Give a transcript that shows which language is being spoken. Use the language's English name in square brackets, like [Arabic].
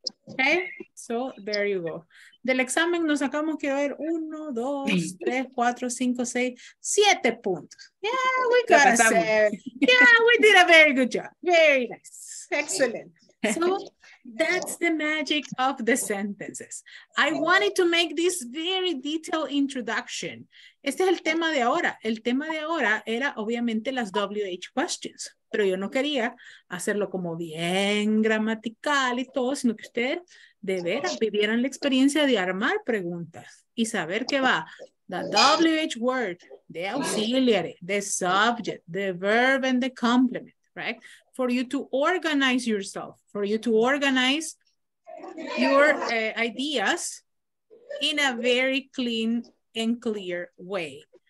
[English] Okay, so there you go. [Spanish] Del examen nos sacamos, quiero ver, 1, 2, 3, 4, 5, 6, 7 puntos. [English] Yeah, we got a 7. Yeah, we did a very good job. Very nice. Excellent. So that's the magic of the sentences. I wanted to make this very detailed introduction. [Spanish] Este es el tema de ahora. El tema de ahora era obviamente las WH questions, pero yo no quería hacerlo como bien gramatical y todo, sino que ustedes de veras vivieran la experiencia de armar preguntas y saber qué va. [English] The WH word, the auxiliary, the subject, the verb and the complement, right? For you to organize yourself, for you to organize your ideas in a very clean and clear way.